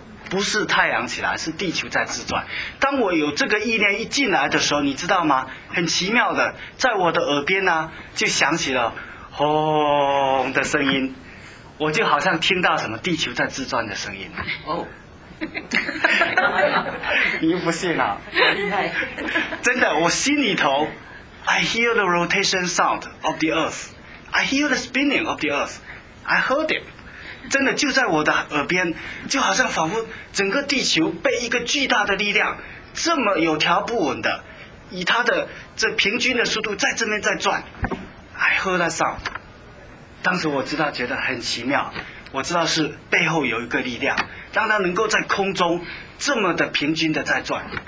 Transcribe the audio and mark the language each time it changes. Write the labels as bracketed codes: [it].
[zh] 不是太阳起来，是地球在自转。当我有这个意念一进来的时候，你知道吗？很奇妙的，在我的耳边呢、啊，就响起了轰的声音，我就好像听到什么地球在自转的声音。哦，你不信啊？ [en] 真的，我心里头，I hear the rotation sound of the earth, I hear the spinning of the earth, I heard it. [zh] 真的就在我的耳边，就好像仿佛整个地球被一个巨大的力量这么有条不紊的以它的这平均的速度在这边在转。 I heard that sound，当时我知道觉得很奇妙，我知道是背后有一个力量让它能够在空中这么的平均的在转。